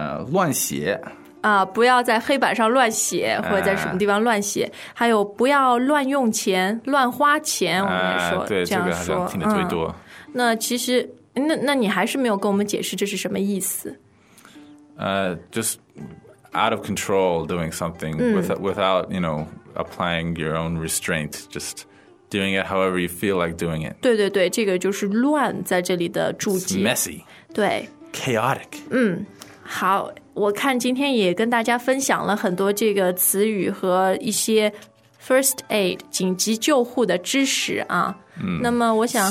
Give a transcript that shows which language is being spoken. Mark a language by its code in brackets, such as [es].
[zh] 乱写。不要在黑板上乱写，或者在什么地方乱写。还有，不要乱用钱，乱花钱。我们说，对，这样说，这个、听得最多。那其实，那你还是没有跟我们解释这是什么意思？ [en] Just out of control doing something without you know applying your own restraint, just. Doing it however you feel like doing it. [zh] 对对对，这个就是乱在这里的注解。 [en] It's messy. [zh] 对。 [en] Chaotic. [zh] 好，我看今天也跟大家分享了很多这个词语和一些 first aid, 紧急救护的知识啊。那么我想，